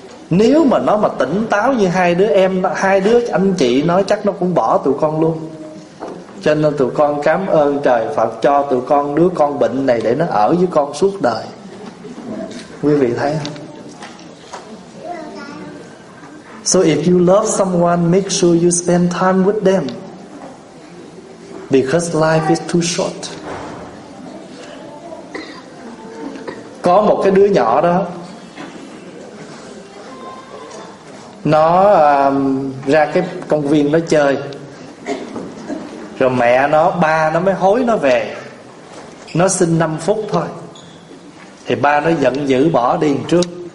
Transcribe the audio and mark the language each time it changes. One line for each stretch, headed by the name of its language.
Vietnamese: Nếu mà nó mà tỉnh táo như hai đứa em, hai đứa anh chị nó, chắc nó cũng bỏ tụi con luôn. Cho nên tụi con cảm ơn trời Phật cho tụi con đứa con bệnh này để nó ở với con suốt đời. Quý vị thấy không?
English: So if you love someone, make sure you spend time with them, because life is too short.
Vietnamese: Có một cái đứa nhỏ đó, nó ra cái công viên nó chơi, rồi mẹ nó, ba nó mới hối nó về. Nó xin 5 phút thôi, thì ba nó giận dữ bỏ đi trước.